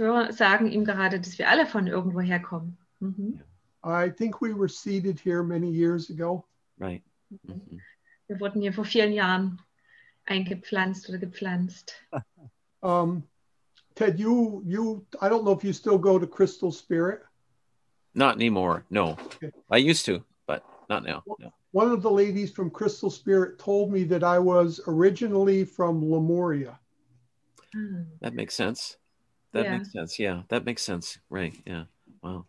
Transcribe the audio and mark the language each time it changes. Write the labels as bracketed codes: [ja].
[de] Sagen ihm gerade, dass wir alle von irgendwo herkommen. [en] I think we were seated here many years ago. Right. [de] Wir wurden hier vor vielen Jahren eingepflanzt oder gepflanzt. [en] Ted, you, I don't know if you still go to Crystal Spirit. Not anymore, no. Okay. I used to, but not now. No. One of the ladies from Crystal Spirit told me that I was originally from Lemuria. That makes sense. Yeah, that makes sense. Right. Yeah. Wow.